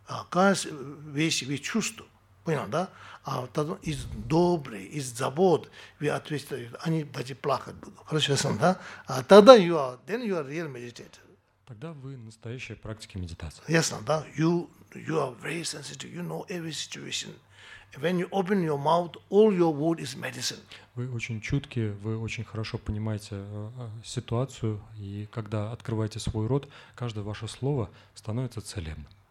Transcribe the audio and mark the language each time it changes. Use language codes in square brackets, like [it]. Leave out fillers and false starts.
[ru] Каждая вещь вы чувствуете, понял, да? А тогда из добрый, из забот вы отвечаете, они даже плакать будут. Хорошо, сам, да? А тогда [en] you are real meditator. [ru] Тогда вы настоящие практики медитации. Ясно, да? [en] You are very sensitive. You know every situation. When you open your mouth, all your word is medicine. [ru] Вы очень чуткие, вы очень хорошо понимаете ситуацию, и когда открываете свой рот, каждое ваше слово становится целебным.